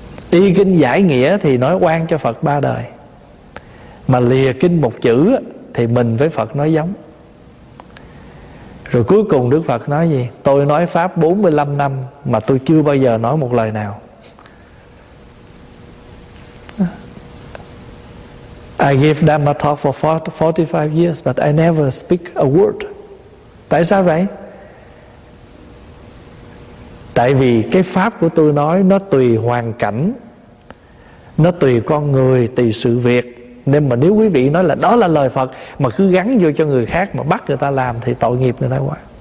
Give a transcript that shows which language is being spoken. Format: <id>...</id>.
<vi>Y kinh giải nghĩa thì nói oan cho Phật ba đời, mà lìa kinh một chữ thì mình với Phật nói giống. Rồi cuối cùng Đức Phật nói gì? Tôi nói pháp 45 năm mà tôi chưa bao giờ nói một lời nào.</vi> <en>I gave Dhamma talk for 45 years but I never speak a word.</en> <vi>Tại sao vậy? Tại vì cái pháp của tôi nói nó tùy hoàn cảnh, nó tùy con người, tùy sự việc. Nên mà nếu quý vị nói là đó là lời Phật mà cứ gắn vô cho người khác mà bắt người ta làm thì tội nghiệp người ta quá.</vi>